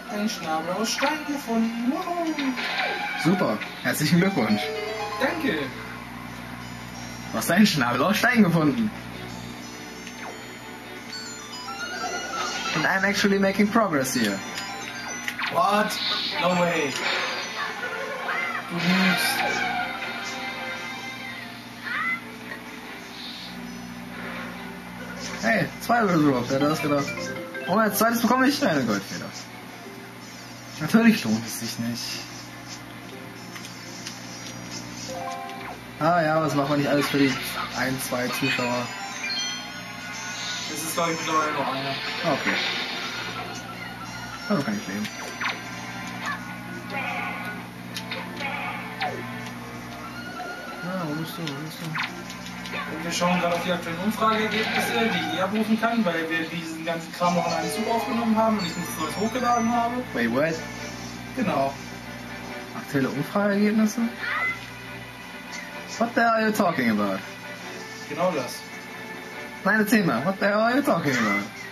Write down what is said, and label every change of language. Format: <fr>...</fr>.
<de>Schnabel aus Stein gefunden. Wow. Super, herzlichen Glückwunsch. Danke. Du hast deinen Schnabel aus Stein gefunden.</de> <en>And I'm actually making progress here. What? No way.</en> <de>Du lügst. Hey, zwei Würfel drauf, wer hat das gedacht? Oh, jetzt zweites bekomme ich eine Goldfeder. Natürlich lohnt es sich nicht. Ah ja, was machen wir nicht alles für die ein, zwei Zuschauer? Es ist doch nur einer. Okay. Also kann ich leben. Ah, wo bist du? Wo bist du? Wir schauen gerade auf die aktuellen Umfrageergebnisse, die ich abrufen kann, weil wir diesen ganzen Kram auch in einen Zug aufgenommen haben und ich den Zug hochgeladen habe.</de> <en>Wait, what?</en> <de>Genau. Aktuelle Umfrageergebnisse?</de> <en>What the hell are you talking about?</en> <de>Genau das. Meine Thema,</de> <en>what the hell are you talking about?</en>